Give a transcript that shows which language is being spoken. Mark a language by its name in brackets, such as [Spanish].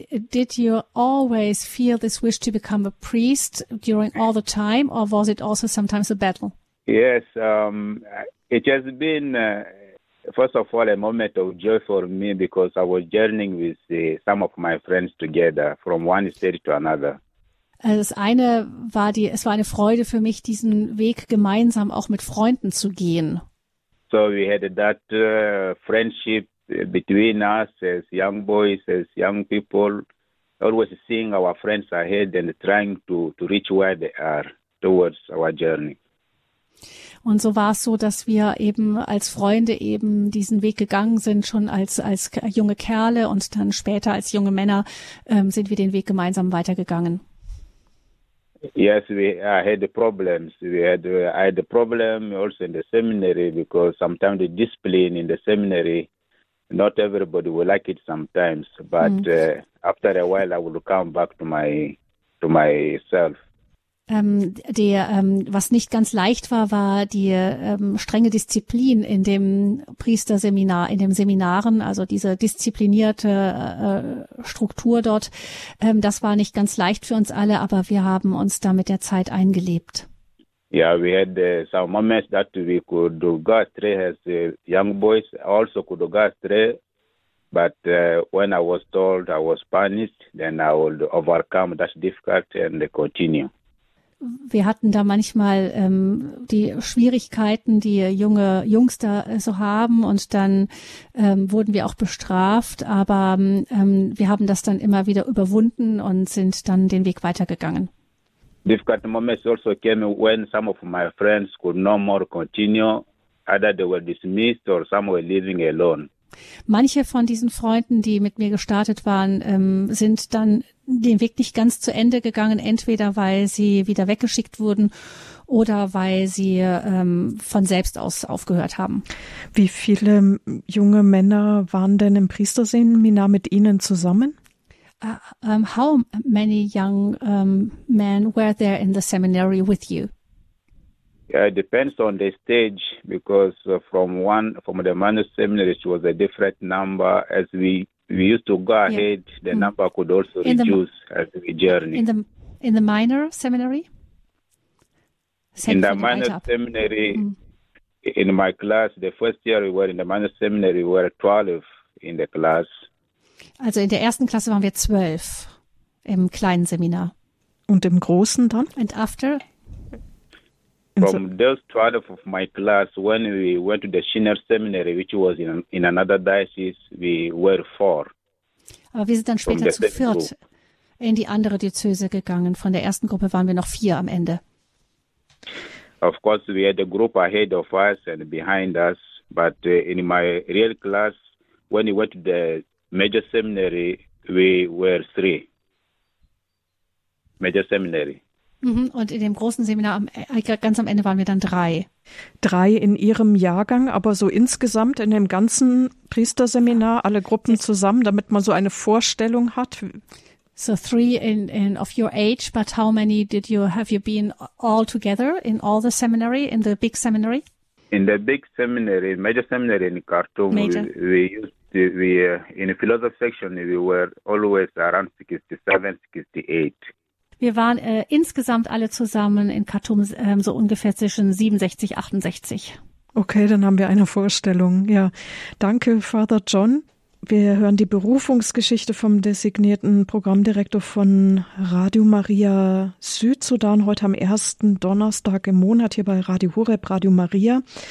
[English] Did you always feel this wish to become a priest during all the time, or was it also sometimes a battle? Yes, it has been, first of all, a moment of joy for me, because I was journeying with some of my friends together from one state to another. [German] Es war eine Freude für mich, diesen Weg gemeinsam auch mit Freunden zu gehen. [English] So we had that friendship between us as young boys, as young people, always seeing our friends ahead and trying to reach where they are towards our journey. [German] Und so war es so, dass wir eben als Freunde eben diesen Weg gegangen sind, schon als junge Kerle, und dann später als junge Männer sind wir den Weg gemeinsam weitergegangen. [English] Yes, I had a problem also in the seminary, because sometimes the discipline in the seminary, not everybody will like it sometimes, but after a while I will come back to myself. [German] Was nicht ganz leicht war, war die strenge Disziplin in dem Priesterseminar, in den Seminaren, also diese disziplinierte Struktur dort. Das war nicht ganz leicht für uns alle, aber wir haben uns da mit der Zeit eingelebt. [English] Yeah, we had some moments that we could go astray as young boys, also could go astray, but when I was told I was punished, then I would overcome that difficulty and continue. [German] Wir hatten da manchmal die Schwierigkeiten, die junge Jungs da so haben, und dann wurden wir auch bestraft, aber wir haben das dann immer wieder überwunden und sind dann den Weg weitergegangen. [English] Difficult moments also came when some of my friends could no more continue, either they were dismissed or some were living alone. [German] Manche von diesen Freunden, die mit mir gestartet waren, sind dann den Weg nicht ganz zu Ende gegangen, entweder weil sie wieder weggeschickt wurden oder weil sie von selbst aus aufgehört haben. Wie viele junge Männer waren denn im Priesterseminar mit Ihnen zusammen? [English] How many young men were there in the seminary with you? Yeah, it depends on the stage, because from the men's seminary, it was a different number. As we used to go ahead, the number could also reduce as we journey. In the minor seminary? In the minor seminary, in my class, the first year we were in the minor seminary, we were 12 in the class. [German] Also in der ersten Klasse waren wir 12 im kleinen Seminar. Und im großen dann? [English] And after? From those 12 of my class, when we went to the Schinner Seminary, which was in another diocese, we were 4. [German] Aber wir sind dann später zu viert in die andere Diözese gegangen. Von der ersten Gruppe waren wir noch 4 am Ende. [English] Of course, we had a group ahead of us and behind us. But in my real class, when we went to the major seminary, we were 3. Major seminary. [German] Und in dem großen Seminar, ganz am Ende waren wir dann 3. 3 in Ihrem Jahrgang, aber so insgesamt in dem ganzen Priesterseminar, alle Gruppen zusammen, damit man so eine Vorstellung hat. [English] So 3 in of your age, but how many did you have you been all together in all the seminary, in the big seminary? In the big seminary, major seminary in Khartoum, in the philosophy section, we were always around 67, 68. [German] Wir waren insgesamt alle zusammen in Khartoum so ungefähr zwischen 67, 68. Okay, dann haben wir eine Vorstellung. Ja, danke, Father John. Wir hören die Berufungsgeschichte vom designierten Programmdirektor von Radio Maria Südsudan heute am ersten Donnerstag im Monat hier bei Radio Horeb, Radio Maria.